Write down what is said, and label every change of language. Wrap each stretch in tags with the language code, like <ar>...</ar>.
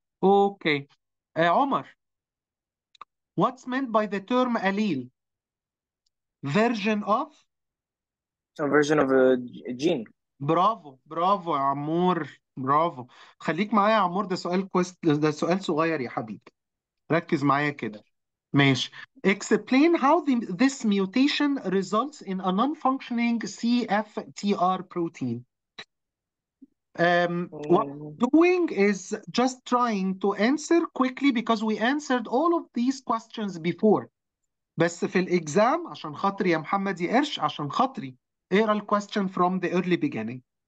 <en>Okay, عمر, what's meant by the term allele? Version of? A version of a gene.</en> <ar>برافو برافو يا عمور، برافو. خليك معايا يا عمور، ده سؤال كويس، ده سؤال صغير يا حبيبي، ركز معايا كده. ماشي،</ar> <en>explain how this mutation results in a non-functioning CFTR protein. What we're doing is just trying to answer quickly because we answered all of these questions before.</en> <ar>بس في الإجزام عشان خاطري يا محمد، يا قرش عشان خاطري، اقرا الكويستشن فروم ذا ايرلي بيجيننج.</ar>